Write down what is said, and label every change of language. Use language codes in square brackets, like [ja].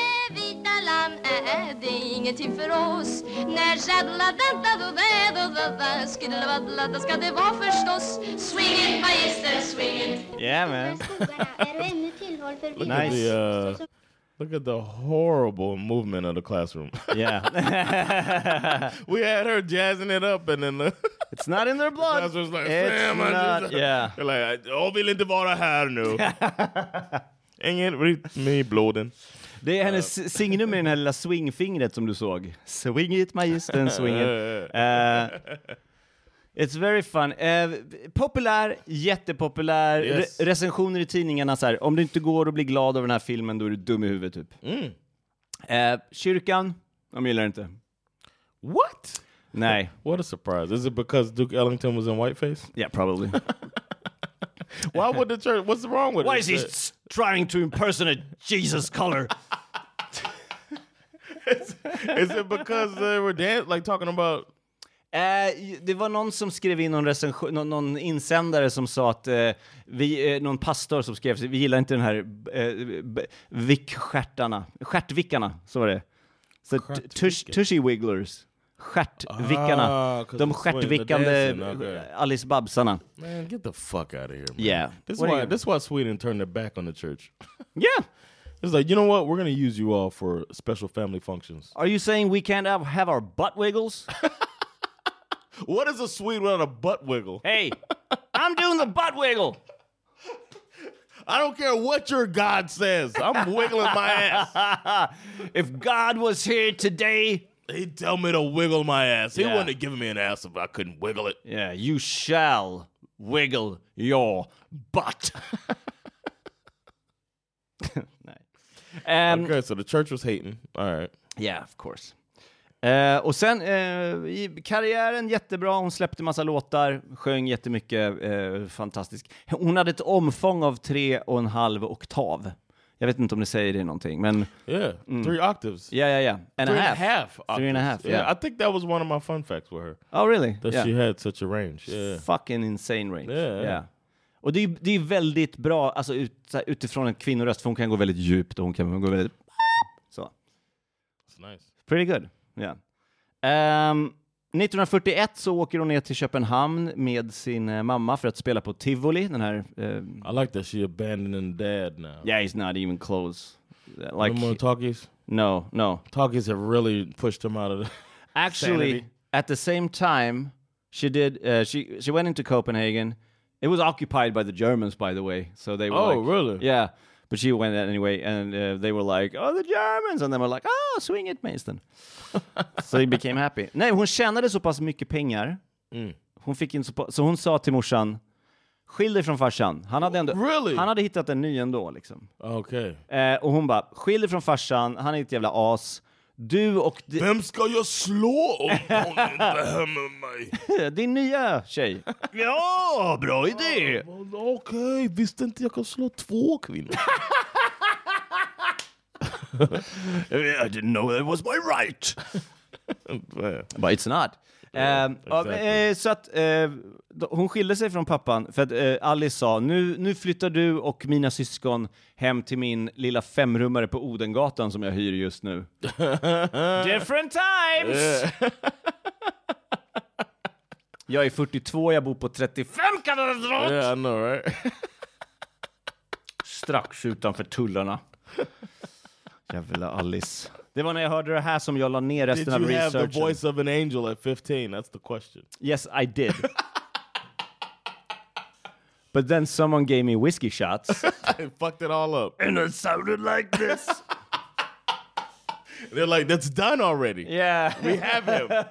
[sv] Vita lam, det är ingenting för oss. När jadla dadda do dadda do dadda skidla vadla dadda ska det vara förstås. [en] Swing it, magister, swing it. Yeah, man. Nice. Look at the horrible movement of the classroom. Yeah. We had her jazzing it up and then... It's not in their blood. The classroom's like, it's fam, not, I just... Yeah. You're like, [sv] all vill inte vara här nu. Ingen rytm i blåden. Det är hennes signum med den här lilla swingfingret som du såg. [en] Swing it, magistern, swing it. It's very fun. [sv] Populär, jättepopulär. [en] Yes. [sv] Recensioner i tidningarna så här. Om du inte går och blir glad av den här filmen, då är du dum i huvudet typ. Mm. Kyrkan, de gillar inte. [en] What? [sv] Nej. [en] What a surprise. Is it because Duke Ellington was in whiteface? Yeah, probably. Why would the church... What's wrong with it? Why is he trying to impersonate Jesus color? Is it because they were dancing, like talking about... [sv] Det var någon som skrev in någon recension, någon insändare som sa att någon pastor som skrev, vi gillar inte den här vickstjärtarna, stjärtvickarna, så var det. Så [en] tushy wigglers, [sv] stjärtvickarna, de stjärtvickande Alice Babsarna. [en] Man, get the fuck out of here, man. Yeah. This is why Sweden turned their back on the church. Yeah. It's like, you know what? We're going to use you all for special family functions. Are you saying we can't have our butt wiggles? What is a Swede without a butt wiggle? Hey, I'm doing the butt wiggle. I don't care what your God says. I'm wiggling my ass. If God was here today, He tell me to wiggle my ass. He wouldn't have given me an ass if I couldn't wiggle it. Yeah, you shall wiggle your butt. Nice. Okay, so the church was hating. All right. Yeah, of course. [sv] Och sen i karriären jättebra, hon släppte massa låtar, sjöng jättemycket, fantastisk. Hon hade ett omfång av 3.5 oktav. Jag vet inte om det säger det någonting, men [en] Three octaves. Yeah, yeah, yeah. And three a half. And a half. Three and a half. Yeah. I think that was one of my fun facts with her. Oh really? That she had such a range. Yeah. Fucking insane range. Yeah. [sv] Och det är väldigt bra, alltså utifrån en kvinnoröst, för hon kan gå väldigt djupt och hon kan gå väldigt så. [en] It's nice. Pretty good. [sv] Ja. [en] Yeah. [sv] 1941 så åker hon ner till Köpenhamn med sin mamma för att spela på Tivoli, den här [en] I like that she abandoned dad now. Yeah, he's not even close. Like, no more talkies? No, no. Talkies have really pushed him out of the actually sanity. At the same time she did she went into Copenhagen. It was occupied by the Germans, by the way. So they were really? Yeah. But she went anyway, and they were like, oh, the Germans. And they were like, oh, swing it, Mason. So he became happy. [sv] Nej, hon tjänade så pass mycket pengar. Mm. Hon fick in så hon sa till morsan, skilj dig från farsan. Han hade ändå, really? Han hade hittat en ny ändå, liksom. Okay. Och hon bara, skilj dig från farsan. Han är ett jävla as. Du och... Vem ska jag slå om hon inte hör med mig? Din nya tjej. Ja, bra idé. Ja, okej, visste inte jag kan slå 2 kvinnor. [en] I didn't know that was my right. But it's not. Exactly. [sv] Så att hon skilde sig från pappan för att Alice sa nu flyttar du och mina syskon hem till min lilla femrummare på Odengatan som jag hyr just nu. [en] Different times! [sv] Jag är 42, jag bor på 35 kvadrat! [en] Yeah, I know, right? [sv] Strax utanför tullarna. Jävla Alice. Det var när jag hörde det här som jag la ner resten av researchen. [en] Did you have the voice of an angel at 15? That's the question. Yes, I did. But then someone gave me whiskey shots. And fucked it all up. And it sounded like this. They're like, that's done already. Yeah. We have him.